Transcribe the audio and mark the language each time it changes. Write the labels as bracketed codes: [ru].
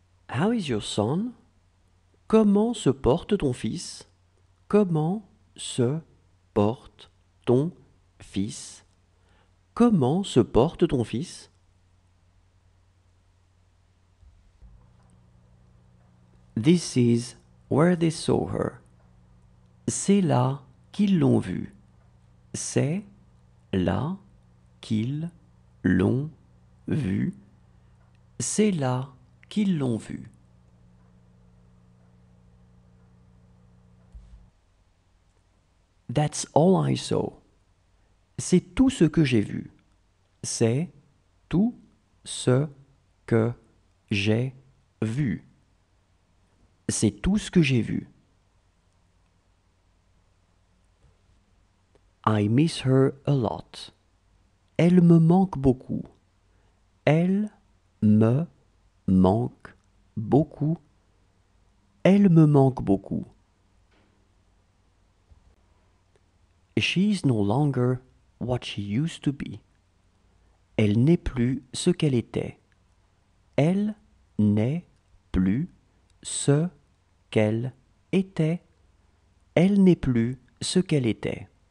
[en] How is your son? [fr] Comment se porte ton fils? Comment se porte ton fils? Comment se porte ton fils? [en] This is where they saw her. [fr] C'est là qu'ils l'ont vu. C'est là qu'ils l'ont vu. C'est là qu'ils l'ont vu. [en] That's all I saw. [fr] C'est tout ce que j'ai vu. C'est tout ce que j'ai vu. C'est tout ce que j'ai vu. [en] I miss her a lot. [fr] Elle me manque beaucoup. Elle me manque beaucoup. Elle me manque beaucoup. [en] She's no longer what she used to be. [fr] Elle n'est plus ce qu'elle était. Elle n'est plus ce qu'elle était. Elle n'est plus ce qu'elle était.